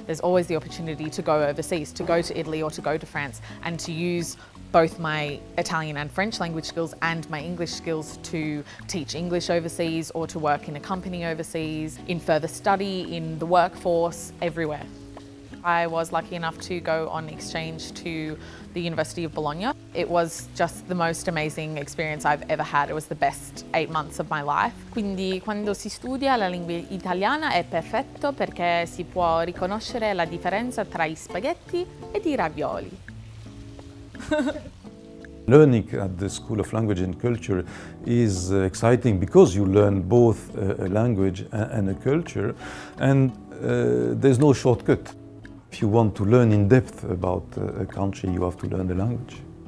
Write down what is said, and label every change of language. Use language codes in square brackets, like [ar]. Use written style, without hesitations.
[en] There's always the opportunity to go overseas, to go to Italy or to go to France, and to use both my Italian and French language skills and my English skills to teach English overseas or to work in a company overseas, in further study, in the workforce, everywhere. I was lucky enough to go on exchange to the University of Bologna. It was just the most amazing experience I've ever had. It was the best 8 months of my life. [it] Quindi quando si studia la lingua italiana è perfetto perché si può riconoscere la differenza tra i spaghetti e i ravioli. [en] Learning at the School of Language and Culture is exciting because you learn both a language and a culture, and there's no shortcut. If you want to learn in depth about a country, you have to learn the language.